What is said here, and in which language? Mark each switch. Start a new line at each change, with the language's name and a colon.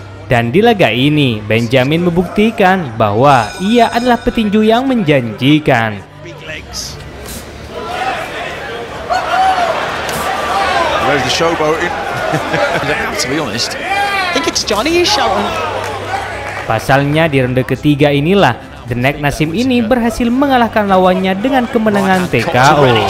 Indonesian: Dan di laga ini Benjamin membuktikan bahwa ia adalah petinju yang menjanjikan.
English: Where's the showboating? To be honest, I think it's Johnny who's showing.
Indonesian: Pasalnya di ronde ketiga inilah The Neck Nassim ini berhasil mengalahkan lawannya dengan kemenangan TKO.